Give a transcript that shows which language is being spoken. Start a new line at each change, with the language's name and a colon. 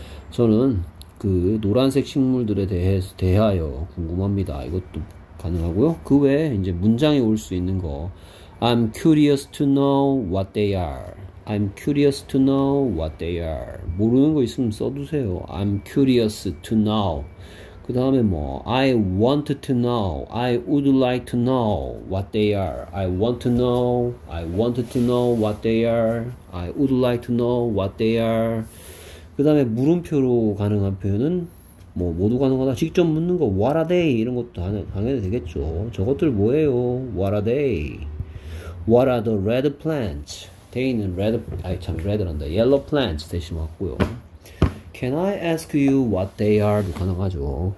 Korean: 저는, 그 노란색 식물들에 대하여 궁금합니다. 이것도 가능하고요. 그 외에 이제 문장에 올수 있는 거.
English: I'm curious to know what they are. I'm curious to know what they are.
Korean: 모르는 거 있으면 써두세요.
English: I'm curious to know.
Korean: 그 다음에 뭐,
English: I want to know. I would like to know what they are. I want to know. I want to know what they are. I would like to know what they are.
Korean: 그 다음에 물음표로 가능한 표현은 뭐 모두 가능하다. 직접 묻는 거
English: What are they?
Korean: 이런 것도 당연히 되겠죠. 저것들 뭐예요? What are they?
English: What are the red plants?
Korean: 대인은
English: red,
Korean: 아니 참
English: red란다. Yellow plants
Korean: 대신 왔고요.
English: Can I ask you what they are?
Korean: 가능하죠.